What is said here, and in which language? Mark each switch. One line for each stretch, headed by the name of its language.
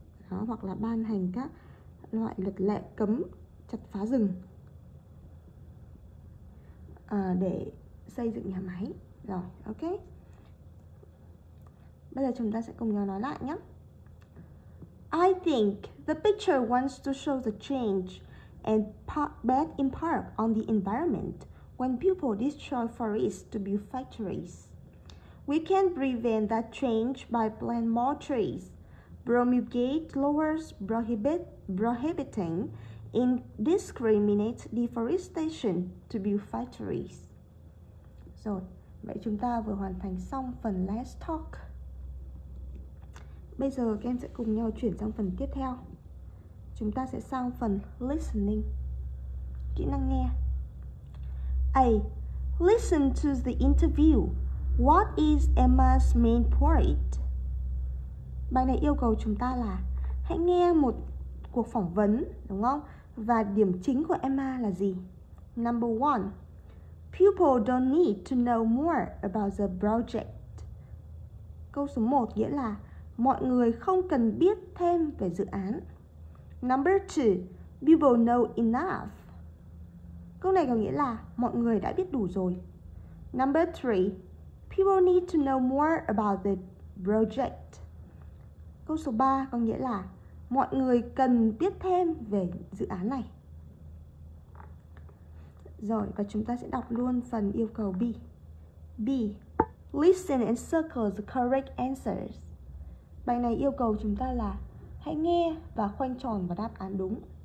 Vietnamese: Đó, hoặc là ban hành các loại luật lệ cấm chặt phá rừng để xây dựng nhà máy. Rồi, ok. Bây giờ chúng ta sẽ cùng nhau nói lại nhé.
English: I think the picture wants to show the change and bad impact on the environment when people destroy forests to build factories. We can prevent that change by plant more trees, promulgate laws prohibiting indiscriminate deforestation to build factories.
Vietnamese: Rồi, vậy chúng ta vừa hoàn thành xong phần last talk. Bây giờ các em sẽ cùng nhau chuyển sang phần tiếp theo. Chúng ta sẽ sang phần listening, kỹ năng nghe. A.
English: Listen to the interview. What is Emma's main point?
Vietnamese: Bài này yêu cầu chúng ta là hãy nghe một cuộc phỏng vấn, đúng không? Và điểm chính của Emma là gì?
English: Number one, people don't need to know more about the project.
Vietnamese: Câu số 1 nghĩa là mọi người không cần biết thêm về dự án.
English: Number two, people know enough.
Vietnamese: Câu này có nghĩa là mọi người đã biết đủ rồi.
English: Number three, people need to know more about the project.
Vietnamese: Câu số 3 có nghĩa là mọi người cần biết thêm về dự án này. Rồi, và chúng ta sẽ đọc luôn phần yêu cầu B. B.
English: Listen and circle the correct answers.
Vietnamese: Bài này yêu cầu chúng ta là hãy nghe và khoanh tròn và đáp án đúng.